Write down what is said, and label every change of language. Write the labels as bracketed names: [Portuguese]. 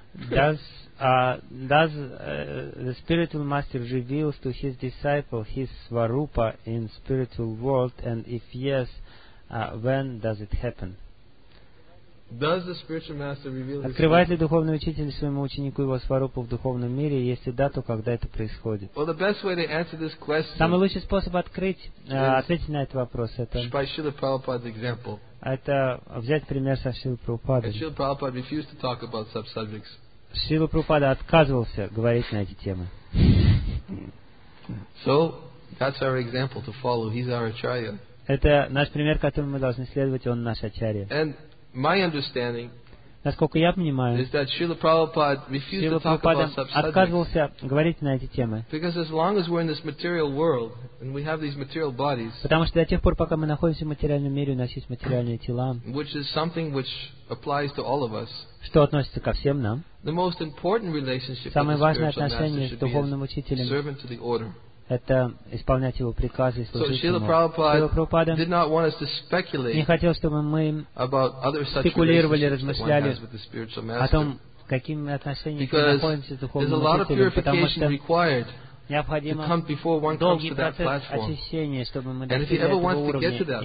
[English] Does the spiritual master reveals to his disciple his Svarupa in spiritual world, and if yes, when does it happen? Does the spiritual master reveal his [Russian] Открывает ли духовный учитель своему ученику его сварупу в духовном мире? Если да, то когда это происходит? [English] Well, the best way to answer this question. [Russian] Самый лучший способ ответить на этот вопрос это. [English] By Srila Prabhupada's example. [Russian] Это взять пример со Шрилы Прабхупады. [English] Srila Prabhupada refused to talk about such subjects. [Russian] Шрила Прабхупада отказывался говорить на эти темы. [English] So that's our example to follow. He's our acharya. [Russian] Это наш пример, которому мы должны следовать. Он наш ачарья. [English] And my understanding, [Russian] насколько я понимаю, [English] is that Srila Prabhupada refused to talk about such subjects. [Russian] Отказывался говорить на эти темы. [English] Because as long as we're in this material world and we have these material bodies. [Russian] Потому что до тех пор, пока мы находимся в материальном мире, у нас есть материальные тела. [English] Which is something which applies to all of us. [Russian] Что относится ко всем нам. [English] The most important relationship [Russian] Самое важное отношение с духовным учителем это исполнять его приказы и служить ему. Шрила Прабхупада не хотел, чтобы мы спекулировали, размышляли о том, какими отношениями мы находимся с духовным учителем, потому что необходимо долгий процесс очищения, чтобы мы достигли этого уровня.